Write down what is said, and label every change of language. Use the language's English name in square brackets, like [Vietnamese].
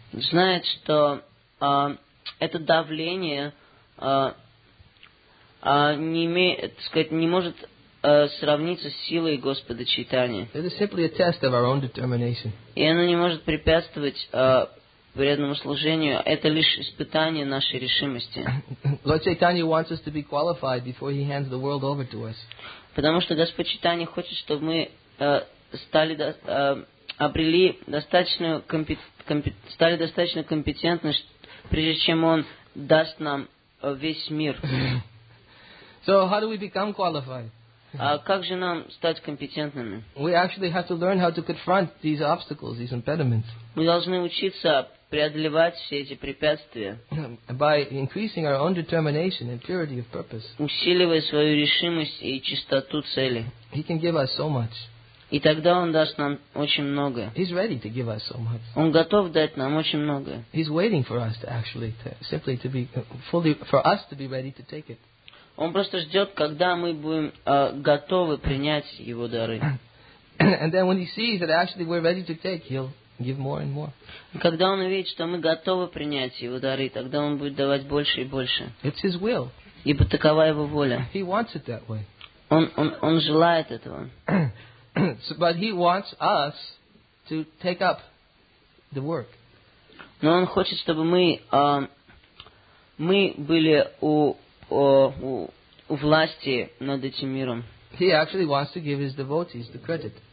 [Russian] Знает, что это давление не имеет, так сказать, не может сравниться с силой Господа Чайтани. [English] It is simply a test of our own determination. [Russian] И оно не может препятствовать преданному служению. Это лишь испытание нашей решимости. [English] Lord Chaitanya wants us to be qualified before he hands the world over to us. [Russian] Потому что Господь Чайтани хочет, чтобы мы стали обрели достаточную стали достаточно компетентны, прежде чем он даст нам весь мир. [English] So how do we become qualified? [Russian] Как же нам стать компетентными? [English] We actually have to learn how to confront these obstacles, these impediments. [Russian] Мы должны учиться преодолевать все эти препятствия. [English] By increasing our own determination and purity of purpose. [Russian] Усиливая свою решимость и чистоту цели. [English] He can give us so much. [Russian] И тогда он даст нам очень многое. [English] He's ready to give us so much. [Russian] Он готов дать нам очень многое. [English] He's waiting for us to actually to, simply to be fully for us to be ready to take it. [Russian] Он просто ждет, когда мы будем готовы принять его дары. [English] And then when he sees that actually we're ready to take, he'll give more and more. [Russian] Когда он увидит, что мы готовы принять его дары, тогда он будет давать больше и больше. [English] It's his will. [Russian] Ибо такова его воля. [English] He wants it that way. [Russian] Он желает этого. [English] So, but he wants us to take up the work. [Russian] Но он хочет, чтобы мы были у власти над этим миром. [English] He actually wants to give his devotees the credit.